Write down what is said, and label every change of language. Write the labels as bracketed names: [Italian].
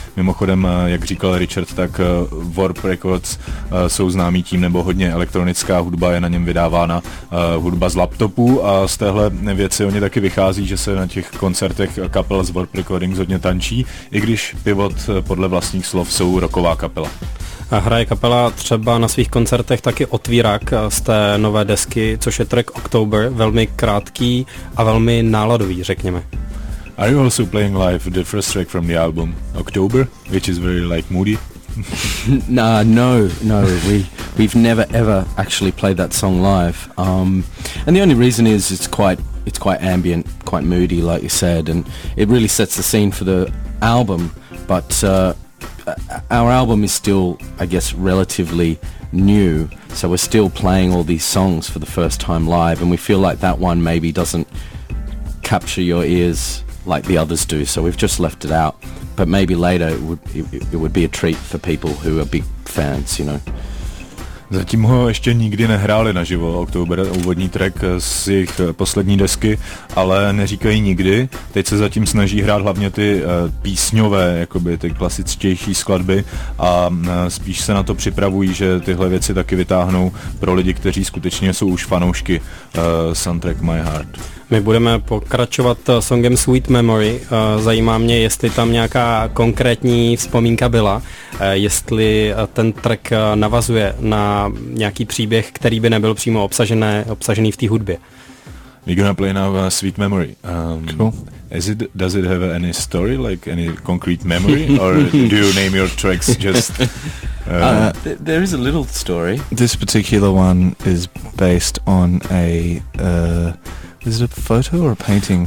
[Czech] Mimochodem, jak říkal Richard, tak Warp Records jsou známí tím, nebo hodně elektronická hudba je na něm vydávána, hudba z laptopů, a z téhle věci oni taky vychází, že se na těch koncertech kapel z Warp Recordings hodně tančí, i když Pivot podle vlastních slov jsou rocková kapela. A hraje kapela třeba na svých koncertech taky otvírak z té nové desky, což je track October, velmi krátký a velmi náladový, řekněme. [English] Are you also playing live the first track from the album October, which is very like moody? No, we've never ever actually played that song live. And the only reason is it's quite ambient, quite moody, like you said, and it really sets the scene for the album, but our album is still, I guess, relatively new, so we're still playing all these songs for the first time live, and we feel like that one maybe doesn't capture your ears like the others do, so we've just left it out. But maybe later it would be a treat for people who are big fans, you know. [Czech] Zatím ho ještě nikdy nehráli naživo, October, úvodní track z jejich poslední desky, ale neříkají nikdy. Teď se zatím snaží hrát hlavně ty písňové, jakoby ty klasičtější skladby, a spíš se na to připravují, že tyhle věci taky vytáhnou pro lidi, kteří skutečně jsou už fanoušky Soundtrack My Heart. My budeme pokračovat songem Sweet Memory. Zajímá mě, jestli tam nějaká konkrétní vzpomínka byla, jestli ten track navazuje na nějaký příběh, který by nebyl přímo obsažený v té hudbě. [English] We're gonna play now Sweet Memory. Cool. Does it have any story, like any concrete memory, or do you name your tracks just? There is a little story. This particular one is based on a is it a photo or a painting?